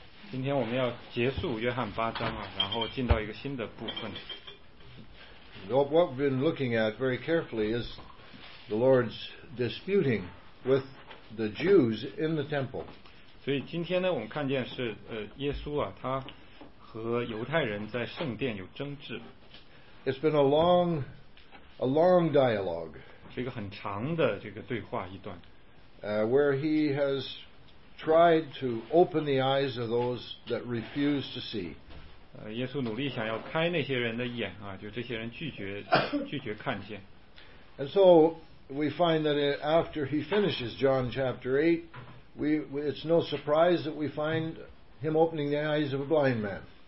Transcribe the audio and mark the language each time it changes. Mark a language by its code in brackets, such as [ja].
[zh] 今天我们要结束约翰八章啊，然后进到一个新的部分。 [en] What we've been looking at very carefully is the Lord's disputing with the Jews in the temple. [zh] 所以今天呢，我们看见是耶稣啊，他和犹太人在圣殿有争执。 [en] It's been a long dialogue. [zh] 是一个很长的这个对话一段。 [en] Where he has tried to open the eyes of those that refuse to see. [zh] 耶稣努力想要开那些人的眼啊，就这些人拒绝看见。 [en] And so we find that after he finishes John chapter 8, it's no surprise that we find him opening the eyes of a blind man.